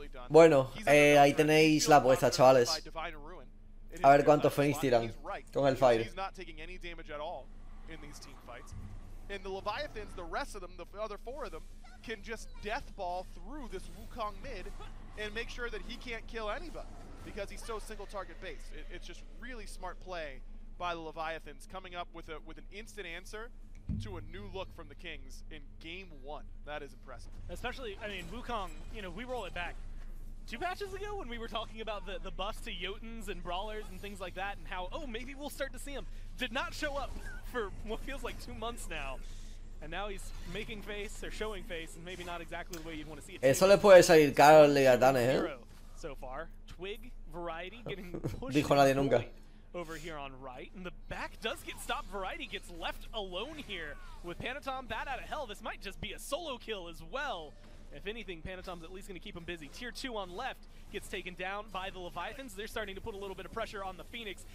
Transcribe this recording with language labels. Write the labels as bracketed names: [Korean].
[Spanish] Bueno, ahí tenéis la apuesta, chavales. A ver cuántos Fénix tiran con el Fire. [English] He's not taking any damage at all in these team fights. And the Leviathans, the rest of them, the other 4 of them, can just death ball through this Wukong mid and make sure that he can't kill anybody because he's so single target based. It's just really smart play by the Leviathans coming up with an instant answer to a new look from the Kings in game 1. That is impressive. Especially, I mean, Wukong, you know, we roll it back 2 patches ago when we were talking about the buffs to Jotuns and Brawlers and things like that and how, oh, maybe we'll start to see him. Did not show up for what feels like 2 months now. And now he's making face or showing face and maybe not exactly the way you'd want to see it. [Spanish] Eso le puede salir caro al Leviathanes, ¿eh? [English] So far, Twig, Variety getting pushed. [Spanish] Dijo nadie nunca. [English] Over here on right, and the back does get stopped. Variety gets left alone here with Panatom bad out of hell. This might just be a solo kill as well. If anything, Panatom's at least going to keep him busy. Tier 2 on left gets taken down by the Leviathans. They're starting to put a little bit of pressure on the Phoenix.